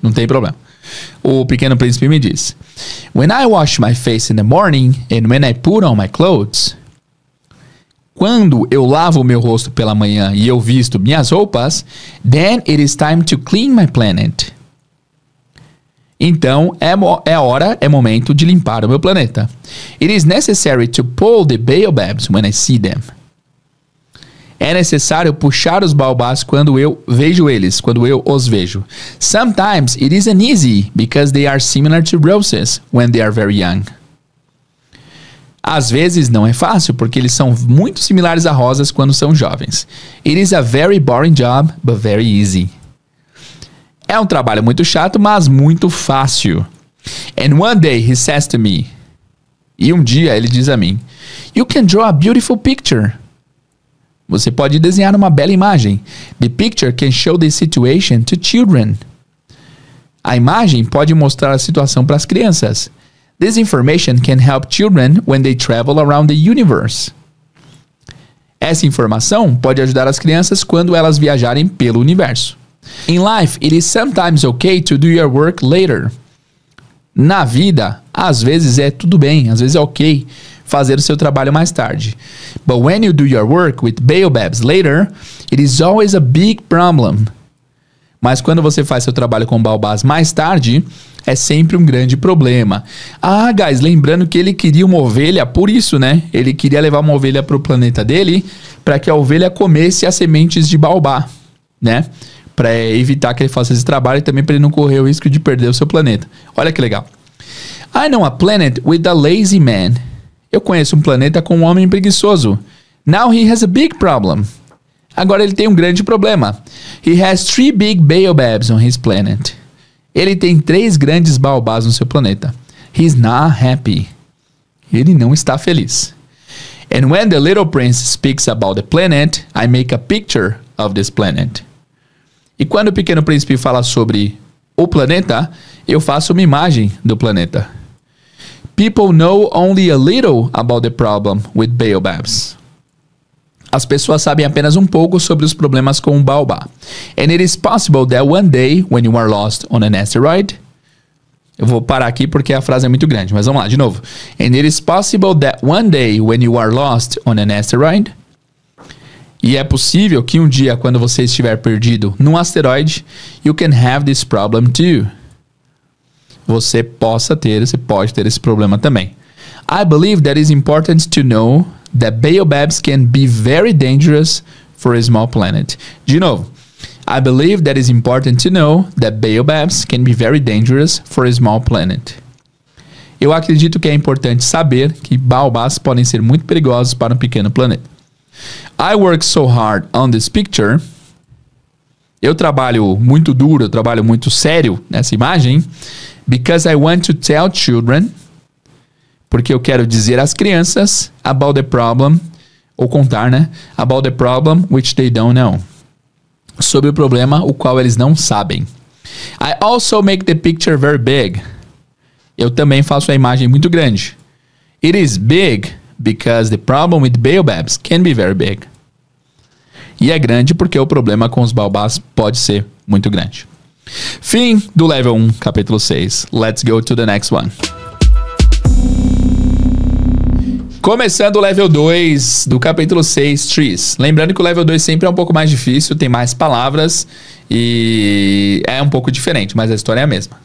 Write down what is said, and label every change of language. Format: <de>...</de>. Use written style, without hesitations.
<pt>Não tem problema. O Pequeno Príncipe me diz:</pt> <en>When I wash my face in the morning and when I put on my clothes,</en> <pt>quando eu lavo meu rosto pela manhã e eu visto minhas roupas,</pt> <en>then it is time to clean my planet.</en> <pt>Então, é momento de limpar o meu planeta.</pt> <en>It is necessary to pull the baobabs when I see them.</en> <pt>É necessário puxar os baobás quando eu vejo eles, quando eu os vejo.</pt> <en>Sometimes it isn't easy because they are similar to roses when they are very young.</en> <pt>Às vezes não é fácil porque eles são muito similares a rosas quando são jovens.</pt> <en>It is a very boring job, but very easy.</en> <pt>É um trabalho muito chato, mas muito fácil.</pt> <en>And one day he says to me,</en> <pt>e um dia ele diz a mim,</pt> <en>you can draw a beautiful picture.</en> <pt>Você pode desenhar uma bela imagem.</pt> <en>The picture can show the situation to children.</en> <pt>A imagem pode mostrar a situação para as crianças.</pt> <en>This information can help children when they travel around the universe.</en> <pt>Essa informação pode ajudar as crianças quando elas viajarem pelo universo.</pt> <en>In life, it is sometimes okay to do your work later.</en> <pt>Na vida, às vezes é tudo bem, às vezes é ok fazer o seu trabalho mais tarde.</pt> <en>But when you do your work with baobabs later, it is always a big problem.</en> <pt>Mas quando você faz seu trabalho com baobás mais tarde, é sempre um grande problema. Ah, guys, lembrando que ele queria uma ovelha, por isso, né? Ele queria levar uma ovelha para o planeta dele, para que a ovelha comesse as sementes de baobá, né? Para evitar que ele faça esse trabalho e também para ele não correr o risco de perder o seu planeta. Olha que legal.</pt> <en>I know a planet with a lazy man.</en> <pt>Eu conheço um planeta com um homem preguiçoso.</pt> <en>Now he has a big problem.</en> <pt>Agora ele tem um grande problema.</pt> <en>He has three big baobabs on his planet.</en> <pt>Ele tem três grandes baobás no seu planeta.</pt> <en>He's not happy.</en> <pt>Ele não está feliz.</pt> <en>And when the little prince speaks about the planet, I make a picture of this planet.</en> <pt>E quando o Pequeno Príncipe fala sobre o planeta, eu faço uma imagem do planeta.</pt> <en>People know only a little about the problem with baobabs.</en> <pt>As pessoas sabem apenas um pouco sobre os problemas com o baobá.</pt> <en>And it is possible that one day, when you are lost on an asteroid...</en> <pt>Eu vou parar aqui porque a frase é muito grande, mas vamos lá, de novo.</pt> <en>And it is possible that one day, when you are lost on an asteroid...</en> <pt>E é possível que um dia, quando você estiver perdido num asteroide,</pt> <en>you can have this problem too.</en> <pt>Você pode ter esse problema também.</pt> <en>I believe that is important to know that baobabs can be very dangerous for a small planet.</en> <pt>De novo.</pt> <en>I believe that is important to know that baobabs can be very dangerous for a small planet.</en> <pt>Eu acredito que é importante saber que baobás podem ser muito perigosos para um pequeno planeta.</pt> <en>I work so hard on this picture.</en> <pt>Eu trabalho muito duro, eu trabalho muito sério nessa imagem.</pt> <en>Because I want to tell children.</en> <pt>Porque eu quero dizer às crianças</pt> <en>about the problem.</en> <pt>Ou contar, né?</pt> <en>About the problem which they don't know.</en> <pt>Sobre o problema o qual eles não sabem.</pt> <en>I also make the picture very big.</en> <pt>Eu também faço a imagem muito grande.</pt> <en>It is big because the problem with baobabs can be very big.</en> <pt>E é grande porque o problema com os baobás pode ser muito grande. Fim do level 1, capítulo 6.</pt> <en>Let's go to the next one.</en> <pt>Começando o level 2 do capítulo 6, Trees. Lembrando que o level 2 sempre é um pouco mais difícil, tem mais palavras e é um pouco diferente, mas a história é a mesma.</pt>